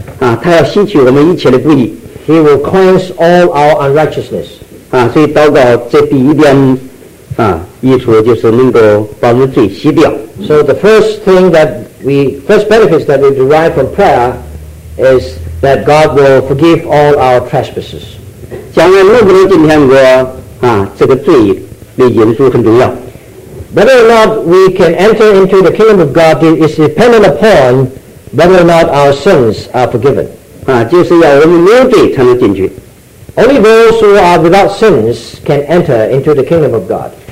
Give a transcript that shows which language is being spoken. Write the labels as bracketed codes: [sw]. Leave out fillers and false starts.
[zh] 他要洗去我们一切的不义, [en] he will cleanse all our unrighteousness. [zh] 所以祷告这第一点益处就是能够把我们罪洗掉。 [en] So the first thing that we, first benefits that we derive from prayer is that God will forgive all our trespasses. [zh] 将来能不能进天国，这个罪被引出很重要。 [en] Whether or not we can enter into the kingdom of God is dependent upon whether or not our sins are forgiven. [zh] 就是要我们没有罪才能进去。 [en] Only those who are without sins can enter into the kingdom of God.